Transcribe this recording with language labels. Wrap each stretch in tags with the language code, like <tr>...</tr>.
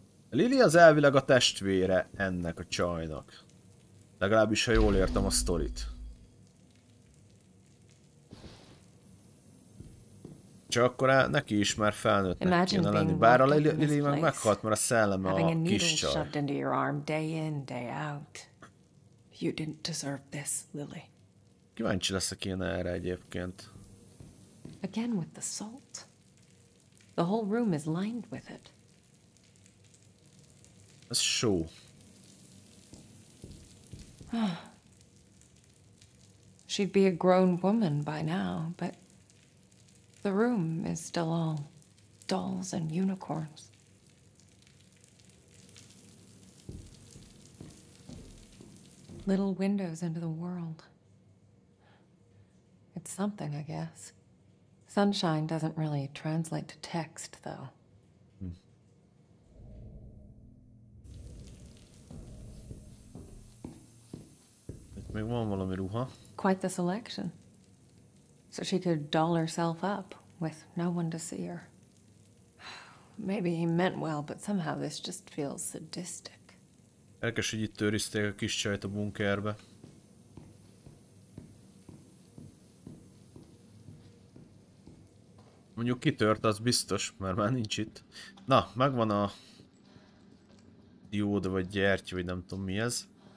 <hu>Lily az elvileg a testvére ennek a csajnak. Legalábbis, ha jól értem a sztorit. Csak akkor neki is már felnőttnek kéne lenni. Bár a Lily meg meghalt, mert a szelleme a kis csaj.</hu> <en>Having a needle shoved into your arm day in, day out. You didn't deserve this, Lily.</en> <hu>Kíváncsi leszek én erre egyébként.</hu> <en>Again with the salt. The whole room is lined with it.</en> <hu>Ez só.</hu> <en>She'd be a grown woman by now, but the room is still all dolls and unicorns. Little windows into the world. It's something, I guess. Sunshine doesn't really translate to text, though.</en> <hu>Még van valami ruha.</hu> <en>Quite the selection. So she could doll herself up with no one to see her. Maybe he meant well, but somehow this just feels sadistic.</en> <hu>Érdekes, hogy itt őrizték a kis csajt a bunkerbe. Mondjuk kitört, az biztos, mert már nincs itt. Na, megvan a dióda, vagy gyertya, vagy nem tudom mi ez.</hu>